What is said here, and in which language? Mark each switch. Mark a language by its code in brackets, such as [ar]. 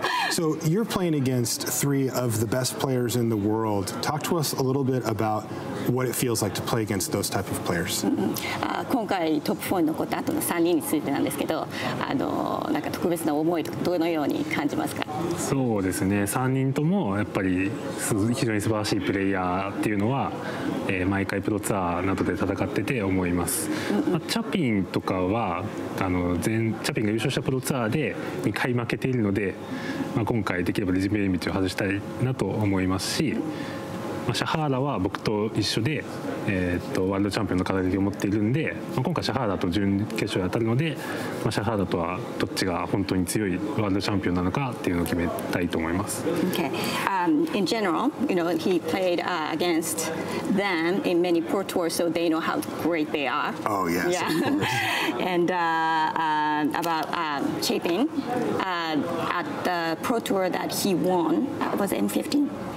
[en] So you're playing against 3 of the best players in the world. Talk to us a little bit about what it feels like to play against those type of players. [ja] そうですね。3人とも、やっぱり非常に素晴らしいプレイヤーっていうのは、毎回プロツアーなどで戦ってて思います。チャピンとかは、チャピンが優勝したプロツアーで2回負けているので、今回できればリジメイミチを外したいなと思いますし、シャハーラは僕と一緒で、ワールドチャンピオンの肩書きを持っているんで、まあ、今回シャハーラと準決勝に当たるので、まあ、シャハーラとはどっちが本当に強いワールドチャンピオンなのかっていうのを決めたいと思います。 [en] Okay. In general, you know, he played against them in many pro tours, so they know how great they are. Oh yes. Yeah. And about Chaping at the pro tour that he won, was it M15?